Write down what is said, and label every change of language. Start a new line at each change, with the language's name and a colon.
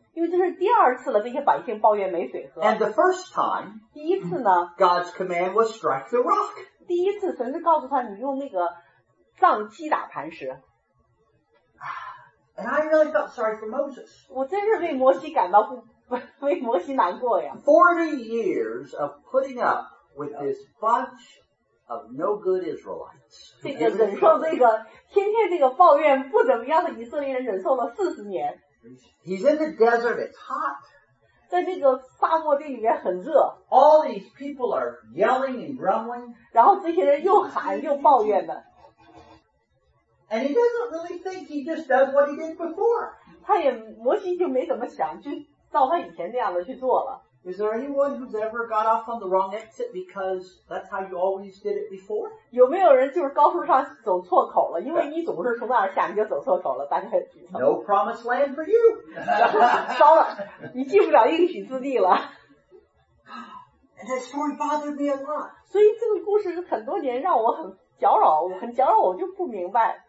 Chinese: 因为这是第二次了，这些百姓抱怨没水喝。
English: And the first time,
Chinese: 第一次呢，
English: God's command was strike the rock.
Chinese: 第一次神是告诉他你用那个杖击打磐石。
English: And I really felt sorry for Moses.
Chinese: 我真是为摩西感到为摩西难过呀。
English: 40 years of putting up with this bunch of no good Israelites.
Chinese: 这个忍受这个天天这个抱怨不怎么样的以色列人忍受了40年。
English: He's in the desert, it's hot.
Chinese: 在这个沙漠地里面很热。
English: All these people are yelling and grumbling.
Chinese: 然后这些人又喊又抱怨的。
English: And he doesn't really think he just does what he did before.
Chinese: 他也摩西就没怎么想就照他以前那样的去做了。
English: Is there anyone who's ever got off on the wrong exit because that's how you always did it before?
Chinese: 有没有人就是高速上走错口了？因为你总是从那儿下，你就走错口了。大家举手。
English: No promised land for you.
Chinese: 糟了，你进不了应许之地了。
English: And that story bothered me a lot.
Chinese: 所以这个故事是很多年让我很搅扰，我就不明白。